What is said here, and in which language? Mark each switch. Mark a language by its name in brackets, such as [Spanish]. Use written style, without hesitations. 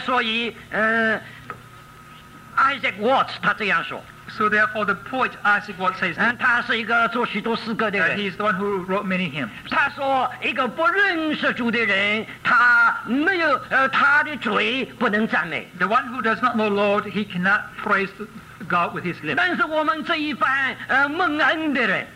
[Chinese] 所以, Isaac Watts, 他这样说。 [English] So therefore the poet Isaac Watts says, [Chinese] 他是一个作许多诗歌的人。 [English] He's the one who wrote many hymns. [Chinese] 他说一个不认识主的人, 他没有, 他的嘴不能赞美。 [English] The one who does not know the Lord, he cannot praise the God with his lips. [Chinese] 但是我们这一般, 蒙恩的人,